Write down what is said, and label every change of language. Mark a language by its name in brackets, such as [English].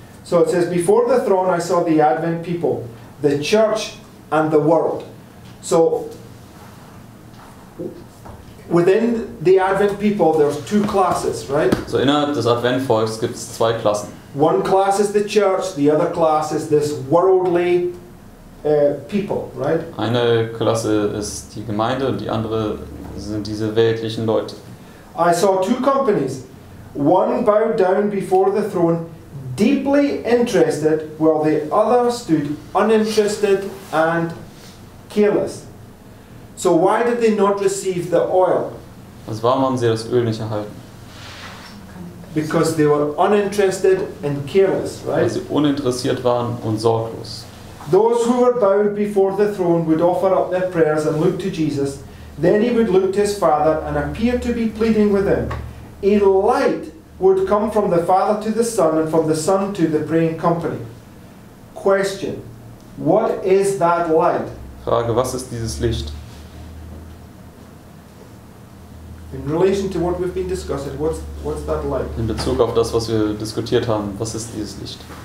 [English] So it says, before the throne I saw the Advent people, the church and the world. So, within the Advent people, there's two classes, right? [German] So innerhalb des Adventvolks gibt es zwei Klassen. [English] One class is the church, the other class is this worldly people, right? [German] Eine Klasse ist die Gemeinde und die andere sind diese weltlichen Leute. [English] I saw two companies. One bowed down before the throne, deeply interested, while the other stood uninterested and careless. So why did they not receive the oil? [German] Also warum haben sie das Öl nicht erhalten? [English] Because they were uninterested and careless, right? [German] Weil sie uninteressiert waren und sorglos. [English] Those who were bowed before the throne would offer up their prayers and look to Jesus. Then he would look to his Father and appear to be pleading with him. A light would come from the Father to the Son and from the Son to the praying company. Question: what is that light? [German] Frage, was ist dieses Licht? [English] In relation to what we've been discussing, what's that light? [German] In Bezug auf das, was wir diskutiert haben, was ist dieses Licht?